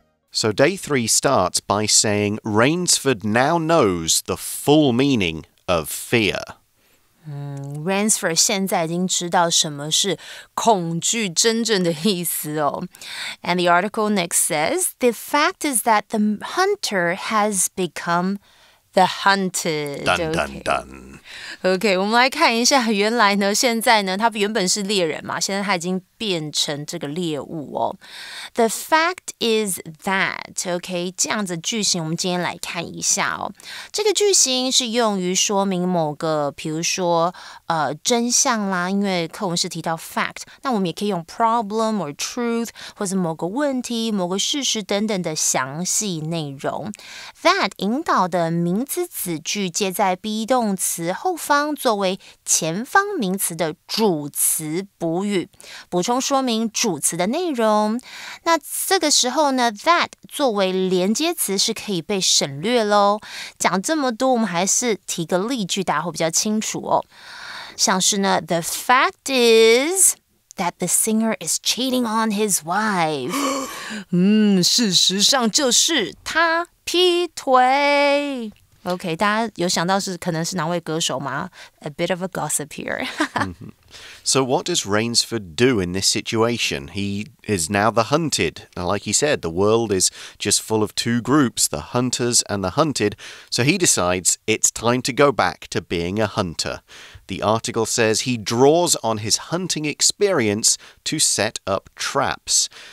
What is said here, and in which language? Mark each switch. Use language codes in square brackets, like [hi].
[en] So day three starts by saying Rainsford now knows the full meaning of fear. [zh] Rainsford 现在已经知道什么是恐惧真正的意思哦。 [en] And the article next says, the fact is that the hunter has become the hunted. Dun, dun, dun. [zh] Okay, 我们来看一下原来呢现在呢他原本是猎人嘛现在他已经变成这个猎物哦。 [en] The fact is that, okay, [zh] 这样子句型我们今天来看一下哦。这个句型是用于说明某个比如说真相啦因为课文是提到 fact, 那我们也可以用 [en] problem or truth, [zh] 或是某个问题某个事实等等的详细内容。 That 引导的名词子句接在 be 动词后方作为前方名词的主词补语，补充说明主词的内容。那这个时候呢 ，that 作为连接词是可以被省略喽。讲这么多，我们还是提个例句，大家会比较清楚哦。像是呢 ， [en] the fact is。 That the singer is cheating on his wife. [zh] 事实上就是他劈腿。 OK, 大家有想到是可能是哪位歌手吗? [en] A bit of a gossip here. 、 So what does Rainsford do in this situation? He is now the hunted. Now, like he said, the world is just full of two groups, the hunters and the hunted. So he decides it's time to go back to being a hunter. The article says he draws on his hunting experience to set up traps.